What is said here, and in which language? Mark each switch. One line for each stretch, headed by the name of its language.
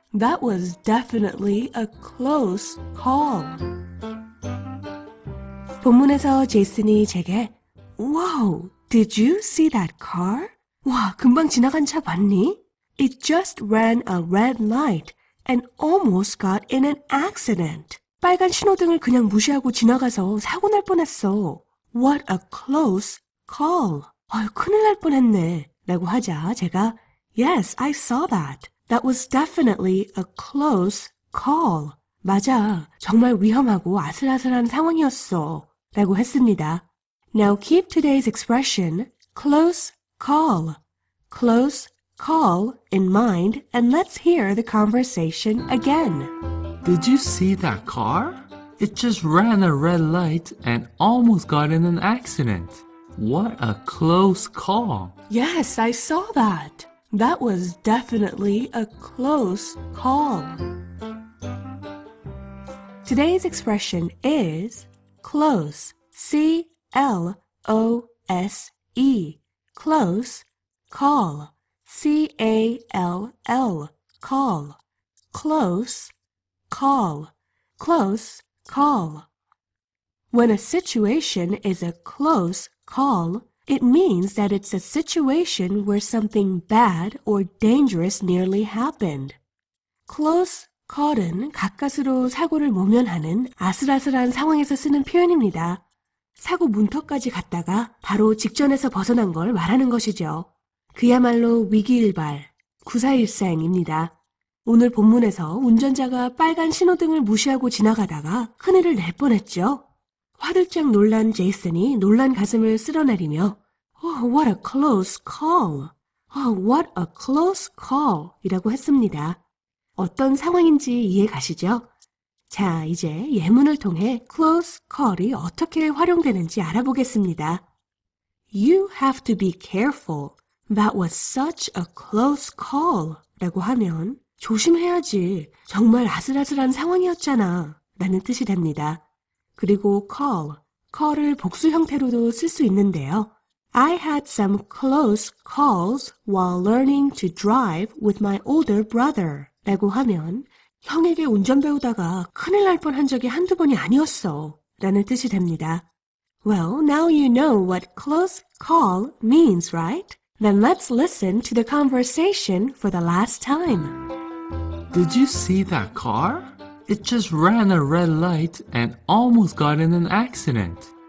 English: That was definitely a close call.
Korean: 본문에서 제이슨이 제게
English: Wow, did you see that car?
Korean: 와, 금방 지나간 차 봤니?
English: It just ran a red light and almost got in an accident.
Korean: 빨간 신호등을 그냥 무시하고 지나가서 사고 날 뻔했어.
English: What a close call.
Korean: 아유, 큰일 날 뻔했네. 라고 하자 제가
English: Yes, I saw that. That was definitely a close call.
Korean: 맞아, 정말 위험하고 아슬아슬한 상황이었어. 라고 했습니다.
English: Now keep today's expression, close call. Close call in mind and let's hear the conversation again. Did you see that car? It just ran a red light and almost got in an accident. What a close call. Yes, I saw that. That was definitely a close call. Today's expression is close. C-L-O-S-E. Close. Call. C-A-L-L. Call. Close. Call. Close. Call. When a situation is a close call, it means that it's a situation where something bad or dangerous nearly happened.
Korean: Close call은 가까스로 사고를 모면하는 아슬아슬한 상황에서 쓰는 표현입니다. 사고 문턱까지 갔다가 바로 직전에서 벗어난 걸 말하는 것이죠. 그야말로 위기일발, 구사일생입니다. 오늘 본문에서 운전자가 빨간 신호등을 무시하고 지나가다가 큰일을 낼 뻔했죠. 화들짝 놀란 제이슨이 놀란 가슴을 쓸어내리며
English: Oh, what a close call! Oh, what a close call!
Korean: 이라고 했습니다. 어떤 상황인지 이해 가시죠? 자, 이제 예문을 통해 close call이 어떻게 활용되는지 알아보겠습니다.
English: You have to be careful. That was such a close call.
Korean: 라고 하면 조심해야지. 정말 아슬아슬한 상황이었잖아. 라는 뜻이 됩니다. 그리고 call, call을 복수 형태로도 쓸 수 있는데요.
English: I had some close calls while learning to drive with my older brother.
Korean: 라고 하면 형에게 운전 배우다가 큰일 날 뻔한 적이 한두 번이 아니었어. 라는 뜻이 됩니다.
English: Well, now you know what close call means, right? Then let's listen to the conversation for the last time. Did you see that car? It just ran a red light and almost got in an accident.